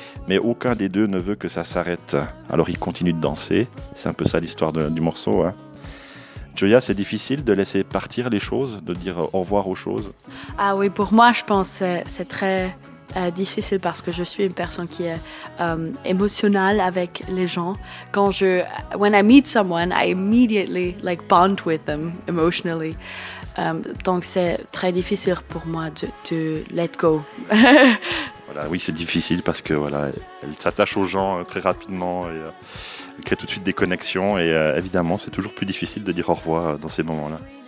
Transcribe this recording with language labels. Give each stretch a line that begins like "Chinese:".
French: Mais aucun des deux ne veut que ça s'arrête. Alors ils continuent de danser. C'est un peu ça l'histoire du morceau. Hein. Joya, c'est difficile de laisser partir les choses, de dire au revoir aux choses. Ah oui, pour moi, je pense que c'est très difficile parce que je suis une personne qui est émotionnelle avec les gens. Quand je
English: when I meet someone, I immediately like bond with them emotionally.
French: Donc c'est très difficile pour moi de
English: let go.
French: Voilà, oui, c'est difficile parce que voilà, elle s'attache aux gens très rapidement et crée tout de suite des connexions et évidemment, c'est toujours plus difficile de dire au revoir dans ces moments-là.